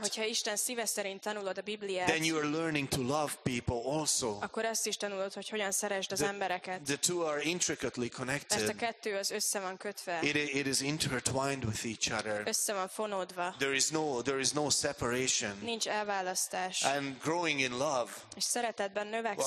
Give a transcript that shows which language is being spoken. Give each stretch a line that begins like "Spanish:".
Hungarian: hogyha Isten szíve szerint tanulod a Bibliát,
English: then you are learning to love people also.
Hungarian: Akkor azt is tanulod, hogy hogyan szeresd az embereket.
English: The two are intricately connected.
Hungarian: Mert a kettő az össze van kötve.
English: It is intertwined with each other.
Hungarian: Össze van fonódva.
English: There is no separation.
Hungarian: Nincs elválasztás.
English: And growing in love.
Hungarian: És szeretetben növekszem.